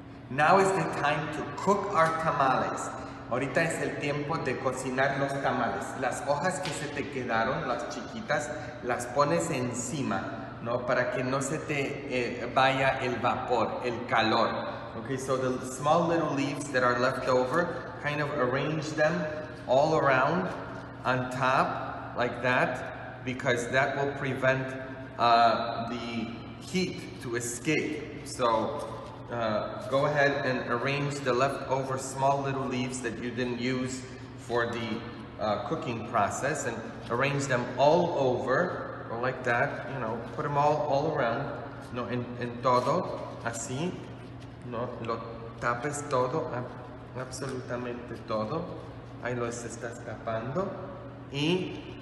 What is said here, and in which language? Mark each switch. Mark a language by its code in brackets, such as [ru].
[en] Now is the time to cook our tamales. [es] Ahorita es el tiempo de cocinar los tamales. Las hojas que se te quedaron, las chiquitas, las pones encima, ¿no? Para que no se te vaya el vapor, el calor. [en] Okay, so the small little leaves that are left over, kind of arrange them all around, on top, like that, because that will prevent the heat to escape. So, go ahead and arrange the leftover small little leaves that you didn't use for the cooking process, and arrange them all over, or like that, you know, put them all around, no, [es] en todo, así, no, lo tapes todo, absolutamente todo, ahí los estás tapando, y